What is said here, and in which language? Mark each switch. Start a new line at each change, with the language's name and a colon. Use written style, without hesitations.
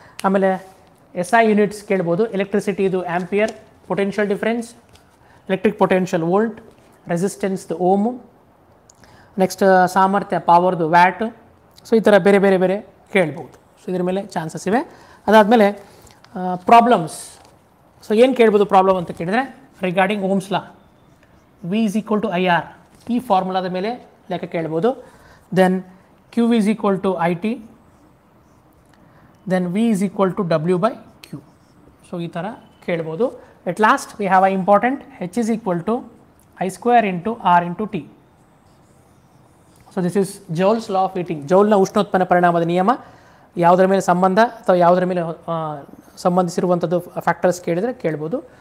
Kannada: ಆಮೇಲೆ SI units ಕೇಳ್ಬೋದು. Electricity ಇದು ampere, potential difference electric potential volt, resistance the ohm, next ಸಾಮರ್ಥ್ಯ ಪವರ್ದು watt. So ಈ ಥರ ಬೇರೆ ಬೇರೆ ಬೇರೆ ಕೇಳ್ಬೋದು. ಸೊ ಇದ್ರ ಮೇಲೆ ಚಾನ್ಸಸ್ ಇವೆ. ಅದಾದಮೇಲೆ ಪ್ರಾಬ್ಲಮ್ಸ್, ಸೊ ಏನು ಕೇಳ್ಬೋದು ಪ್ರಾಬ್ಲಮ್ ಅಂತ ಕೇಳಿದರೆ, regarding Ohm's law, V = IR, ಈ ಫಾರ್ಮುಲಾದ ಮೇಲೆ ಲೆಕ್ಕ ಕೇಳ್ಬೋದು.
English: Then Q = IT, then V = W/Q.
Kannada: So ಈ ಥರ ಕೇಳ್ಬೋದು.
English: At last we have a important, H = I² × R × T. So this is joule's law of heating,
Kannada: ಜೌಲ್ನ ಉಷ್ಣೋತ್ಪನ್ನ ಪರಿಣಾಮದ ನಿಯಮ. ಯಾವುದರ ಮೇಲೆ ಸಂಬಂಧ ಅಥವಾ ಯಾವುದರ ಮೇಲೆ ಸಂಬಂಧಿಸಿರುವಂಥದ್ದು ಫ್ಯಾಕ್ಟರ್ಸ್ ಕೇಳಿದರೆ ಕೇಳ್ಬೋದು.